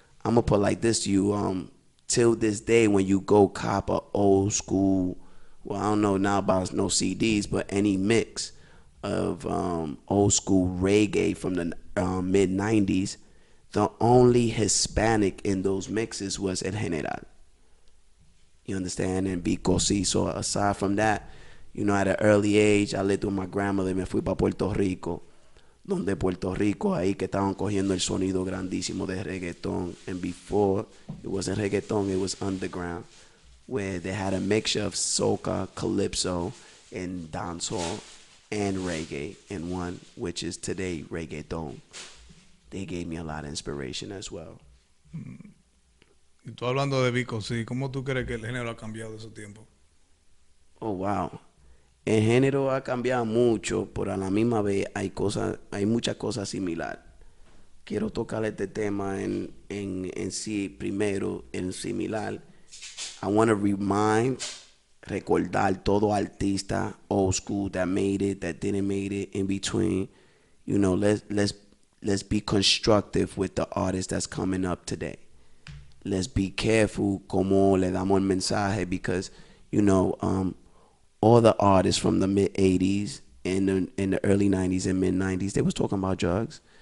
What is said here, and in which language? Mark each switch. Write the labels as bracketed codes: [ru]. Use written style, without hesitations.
[en] I'm going to put like this to you. Till this day, when you go cop a old school, well, I don't know now about no CDs, but any mix of old school reggae from the mid 90s, The only Hispanic in those mixes was El General. You understand? And Vico C. So aside from that, you know, at an early age, I lived with my grandmother. [es] Me fui para Puerto Rico. Donde Puerto Rico, ahí que estaban cogiendo el sonido grandísimo de reggaeton. [en] And before, it wasn't reggaeton, it was underground, where they had a mixture of soca, calypso, and dancehall, and reggae in one, which is today reggaeton. They gave me a lot of inspiration as well. [es] Y tú hablando de Vico, sí, ¿cómo tú crees que el género ha cambiado de ese tiempo? [en] Oh, wow. [es] El género ha cambiado mucho, pero a la misma vez hay cosas, hay muchas cosas similares. Quiero tocar este tema en sí primero, en similar. [en] I want to remind, [es] recordar todo artista [en] old school that made it, that didn't made it, in between. You know, let's be constructive with the artists that's coming up today. Let's be careful [es] cómo le damos el mensaje, [en] because, you know, all the artists from the mid-80s and in the early 90s and mid-90s, they was talking about drugs.